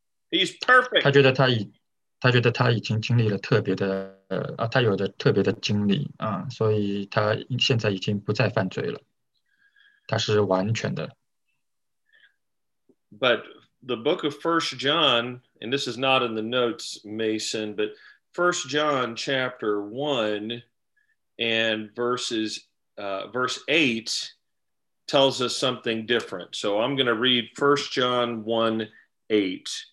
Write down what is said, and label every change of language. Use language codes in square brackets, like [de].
[en] He's perfect. [zh] 他觉得他已经经历了特别的他有着特别的经历所以他现在已经不再犯罪了，他是完全的。 [en] But the book of 1 John, and this is not in the notes, Mason, but 1 John chapter 1 and verse 8 tells us something different. So I'm going to read 1 John 1, 8.